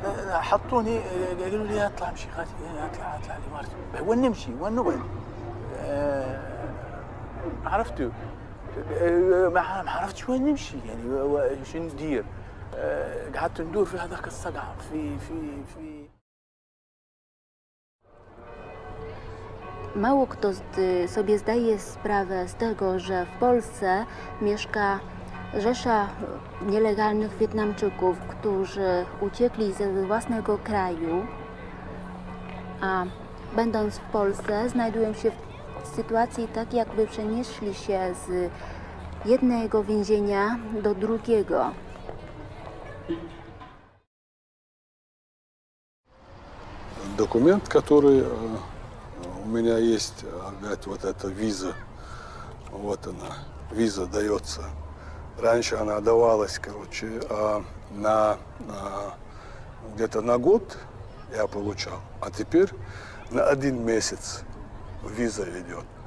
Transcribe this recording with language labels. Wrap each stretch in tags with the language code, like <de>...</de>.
<ar>حطوني قالوا لي اطلع امشي غادي اطلع اطلع الإمارات وين نمشي وين نوين؟ عرفتوا؟ ما عرفتش وين نمشي يعني شنو ندير؟ قعدت ندور في هذاك الصقع في في في</ar> <pl>Mało kto sobie zdaje sprawę z tego, że w Polsce mieszka rzesza nielegalnych Wietnamczyków, którzy uciekli ze własnego kraju, a będąc w Polsce znajdują się w sytuacji tak, jakby przenieśli się z jednego więzienia do drugiego.</pl> <ru>Документ, который у меня есть, опять вот эта виза, вот она, виза дается. Раньше она давалась, короче, на где-то на год я получал, а теперь на один месяц виза идет.</ru>